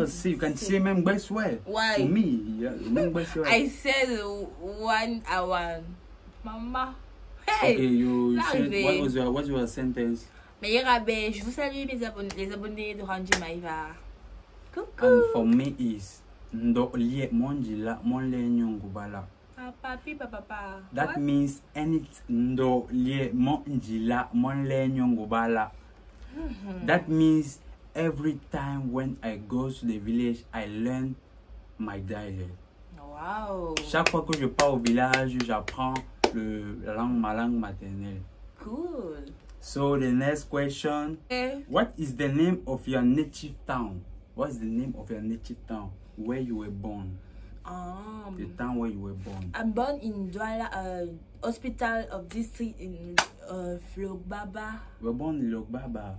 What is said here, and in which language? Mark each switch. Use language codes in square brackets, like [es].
[en] Just see, you can say mem best way. Why? For me, yeah, mem best way. I said 1 hour, mama. Hey, okay, you said what was your sentence? [fr] Meilleur abbé, je vous salue mes abonnés, les abonnés de Randy Maiva. Coucou. [en] And for me is ndo liye monjila monle nyongubala. Papa. That what? Means anything ndo liye monjila monle nyongubala. That means every time when I go to the village, I learn my dialect. Wow. [fr] Chaque fois que je pars au village, j'apprends le langue, ma langue maternelle. [en] Cool. So the next question, okay. What is the name of your native town? What's the name of your native town where you were born? The town where you were born. I'm born in Douala, hospital of district in Lokbaba. You were born in Lokbaba?